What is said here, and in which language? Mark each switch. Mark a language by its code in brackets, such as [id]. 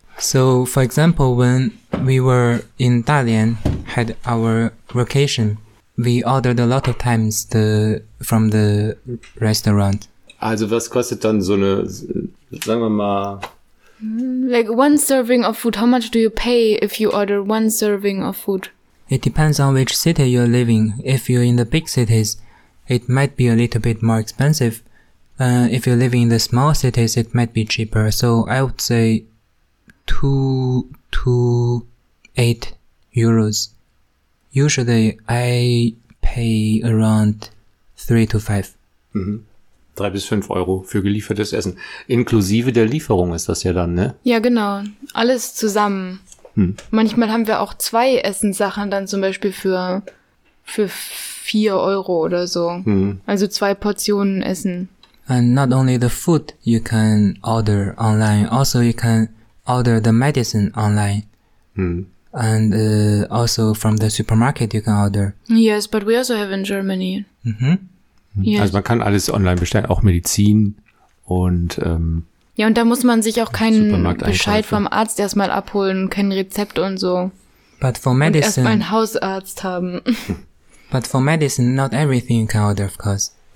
[en] So for example, when we were in Dalian, had our vacation, we ordered a lot of times from the restaurant. [de] Also was kostet dann so eine, sagen wir mal, [en] like one serving of food, how much do you pay if you order one serving of food? It depends on which city you're living. If you're in the big cities, it might be a little bit more expensive. If you're living in the small cities, it might be cheaper. So I would say 2 to 8 euros. Usually I pay around 3 to 5. [de] Mhm. 3 bis 5 Euro für geliefertes Essen. Inklusive der Lieferung ist das ja dann, ne? Ja, genau. Alles zusammen. Manchmal haben wir auch 2 Essenssachen dann zum Beispiel für 4 Euro oder so. Also 2 Portionen Essen. [en] And not only the food you can order online, also you can order the medicine online. And also from the supermarket you can order. Yes, but we also have in Germany. Yes. [de] Also man kann alles online bestellen, auch Medizin und ja, und da muss man sich auch keinen Bescheid vom Arzt erstmal abholen, kein Rezept und so. [en] But for medicine, [de] erstmal einen Hausarzt haben. [en] But for medicine, not everything you can order, of course.